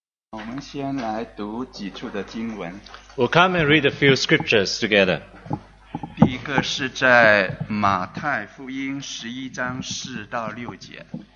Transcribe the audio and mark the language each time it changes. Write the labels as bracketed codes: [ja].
[zh] 我们先来读几处的经文。 [en] We'll come and read a few scriptures together. [zh] 第一个是在马太福音十一章四到六节。